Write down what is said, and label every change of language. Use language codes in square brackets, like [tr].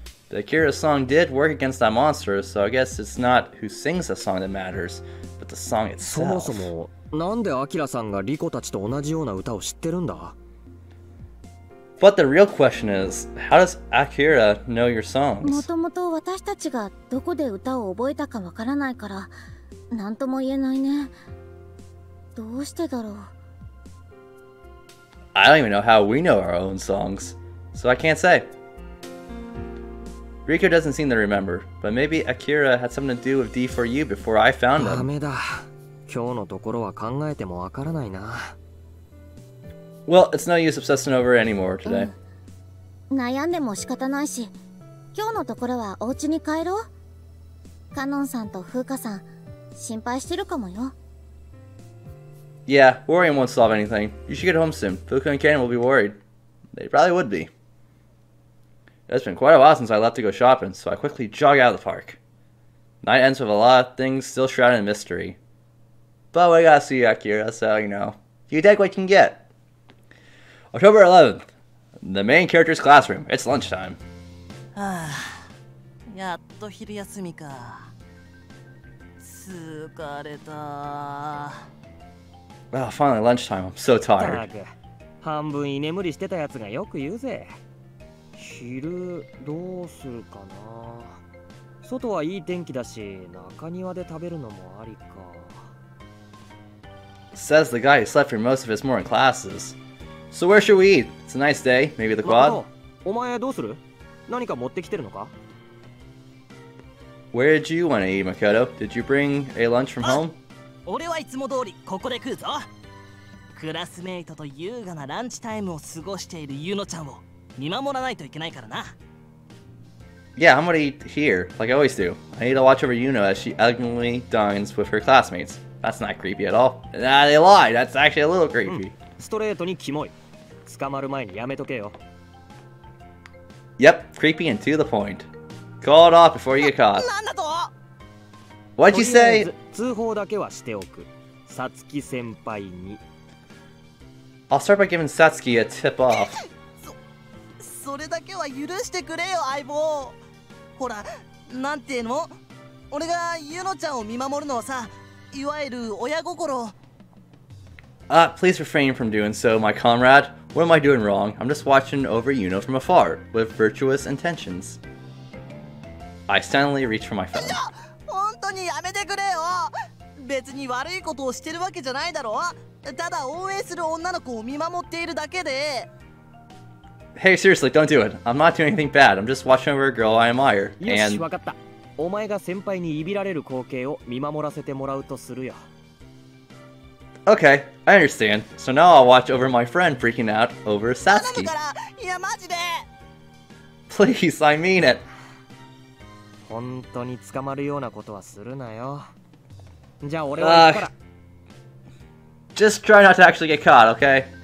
[en] The Akira's song did work against that monster, so I guess it's not who sings the song that matters, but the song itself. [ja] そもそもなんでアキラさんがリコたちと同じような歌を知ってるんだ? [en] But the real question is, how does Akira know your songs? [ja] もともと私たちがどこで歌を覚えたかわからないから、なんとも言えないね。どうしてだろう? [en] I don't even know how we know our own songs, so I can't say. Riko doesn't seem to remember, but maybe Akira had something to do with D4U before I found him. [ja] ダメだ。今日のところは考えてもわからないな。 [en] Well, it's no use obsessing over it anymore today.、 [ja] うん、悩んでも仕方ないし、今日のところはお家に帰ろう。カノンさんとフーカさん、心配してるかもよ。 [en] Yeah, worrying won't solve anything. You should get home soon. Fuka and Kanon will be worried. They probably would be. It's been quite a while since I left to go shopping, so I quickly jog out of the park. Night ends with a lot of things still shrouded in mystery. But we gotta see Akira, so you know, you take what you can get. October 11th, the main character's classroom. It's lunchtime. [ja] やっと昼休みか。疲れた。 [en] Well, finally lunchtime. I'm so tired. [ja] 半分居眠りしてたやつがよく言うぜ。昼どうするかな。外はいい天気だし、中庭で食べるのもありか。 [en] Says the guy who slept for most of his morning classes. So where should we eat? It's a nice day, maybe the quad? [ja] お前どうする? 何か持ってきてるのか? [en] Where did you want to eat, Makoto? Did you bring a lunch from home? [ja] 俺はいつも通りここで食うぞ。クラスメイトと優雅なランチタイムを過ごしているユノちゃんを見守らないといけないからな。 [en] Yeah, I'm gonna eat here, like I always do. I need to watch over Yuno as she elegantly dines with her classmates. That's not creepy at all. Nah, they lie. That's actually a little creepy. [ja] Straight にキモい。捕まる前にやめとけよ。 [en] Yep, creepy and to the point. Call it off before you get caught. [ja] なんだと? [en] What'd you say? [ja] 通報だけはしておく。サツキ先輩に。 [en] I'll start by giving Satsuki a tip off. [ja] それだけは許してくれよ、相棒。ほら、なんていうの? 俺がユノちゃんを見守るのはさ。いわゆる親心。 [en] Please refrain from doing so, my comrade. What am I doing wrong? I'm just watching over Yuno from afar, with virtuous intentions. I suddenly reach for my phone. [ja] 本当にやめてくれよ。別に悪いことをしてるわけじゃないだろ。ただ応援する女の子を見守っているだけで。 [en] Hey, seriously, don't do it. I'm not doing anything bad. I'm just watching over a girl I admire. And... [ja] お前が先輩にいびられる光景を見守らせてもらうとするよ。 [en] Okay, I understand. So now I'll watch over my friend freaking out over Satsuki. [ja] 頼むから、いやマジで。 [en] Please, I mean it. [ja] 本当に捕まるようなことはするなよ。じゃあ俺は行くから。 [en] Just try not to actually get caught, okay?